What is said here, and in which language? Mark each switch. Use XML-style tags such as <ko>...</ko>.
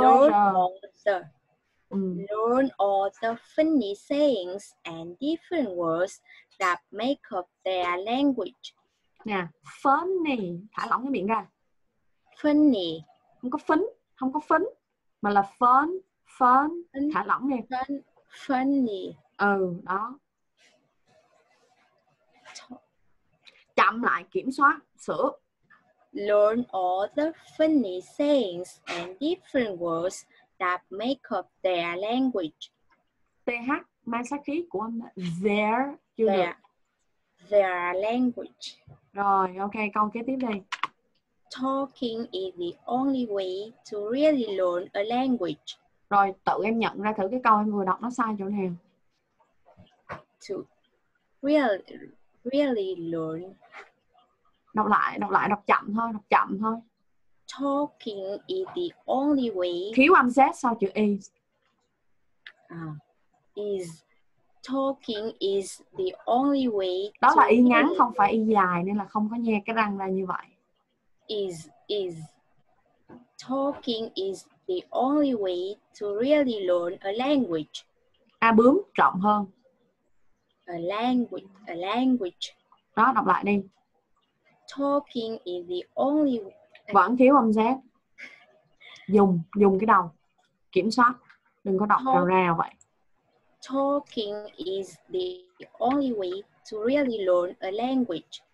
<en>learn all the funny sayings and different words that make up their language.</en> <vi>Nè, funny, thả lỏng cái miệng ra.</vi> <en>Funny,</en> <vi>không có phấn mà là fun, thả lỏng nè.</vi> <en>Funny.</en> <vi>Ừ, đó. Chậm lại, kiểm soát, sửa.</vi> <en>Learn all the funny sayings and different words that make up their language.</en> <vi>TH mang sát khí của âm their,</vi> <en>their language.</en> <vi>Rồi, ok, câu kế tiếp đi.</vi> <en>Talking is the only way to really learn a language.</en> <vi>Rồi, tự em nhận ra thử cái câu em vừa đọc nó sai chỗ nào.</vi> <en>To really learn.</en> <vi>Đọc lại, đọc chậm thôi.</vi> <en>Talking is the only way.</en> <vi>Thiếu âm sát sau chữ is.</vi> <en>Is talking is the only way.</en> <vi>Đó là y ngắn không phải y dài nên là không có nghe cái răng ra như vậy.</vi> <en>Is talking is the only way to really learn a language.</en> <vi>A bướm rộng hơn.</vi> <en>A language.</en> <vi>Đó, đọc lại đi.</vi> <en>Talking is the only way.</en> <vi>Vẫn thiếu âm sát. Dùng cái đầu kiểm soát, đừng có đọc ra vậy.</vi> <en>Talking is the only way to really learn a language.</en>